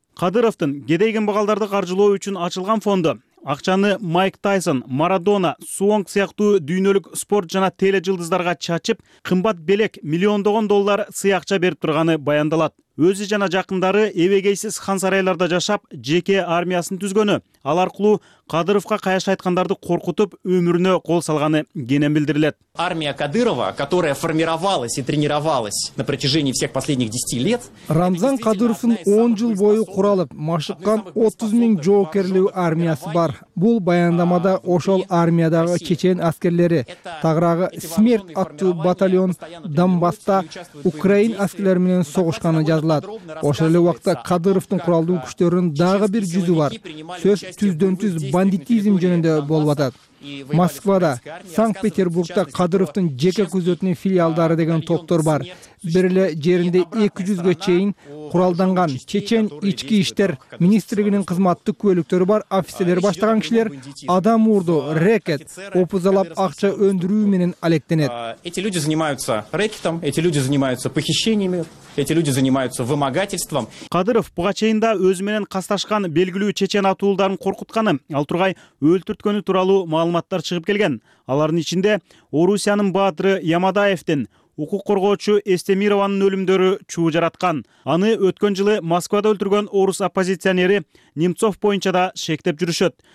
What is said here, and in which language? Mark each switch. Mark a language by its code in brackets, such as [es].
[ky] Кадыровдун кедей кембагалдарды каржылоо үчүн ачылган фонду акчаны Майк Тайсон, Марадона, Суонг сыяктуу дүйнөлүк спорт жана теле жылдыздарга чачып, кымбат белек миллиондогон доллар сыякча берип турганы баяндалат. Өзү жана жакындары эбегейсиз хан сарайларда жашап, жеке армиясын түзгөнү, ал аркылуу Кадыровго каяш айткандарды коркутуп, өмүрүнө кол салганы кенен билдирилет. [ru] Армия Кадырова, которая формировалась и тренировалась на протяжении всех последних 10 лет, [ky] Рамзан Кадыровун 10 жыл бою куралып, машыккан 30 000 жоокерлүү армиясы бар. Бул баяндамада ошол армиядагы чечен аскерлери, тагырагы Смерть аттуу батальон Донбасста Украин аскерлери менен согушканы жазылат. Ошол эле убакта Кадыровдун куралдуу күчтөрүнүн дагы бир жүзү бар. Сөз түздөн-түз бандитизм жөнүндө болуп атат. Москвада, Санкт-Петербургда Кадыровдун жеке күзөтүнүн филиалдары деген топтор бар. Бир эле жеринде 200 чейин куралданган чечен ички иштер министрлигинин кызматтык бөлүктөрү бар офицерлер баштаган кишилер адам урду, рэкет, опузалап акча өндүрүү менен алектенет. [ru] Эти люди занимаются рэкетом, эти люди занимаются похищениями, эти люди занимаются вымогательством. [ky] Кадыров буга чейин да өзү менен касташкан белгилүү чечен атуулдарын коркутканы, ал тургай өлтүрткөнү тууралуу маалыматтар чыгып келген. Алардын ичинде Орусиянын баатыры Ямадаевдин, укук коргоочу Эстемированын өлүмдөрү чуу жараткан. Аны өткөн жылы Москвада өлтүргөн орус оппозиционери Немцов боюнча да шектеп жүрүшөт.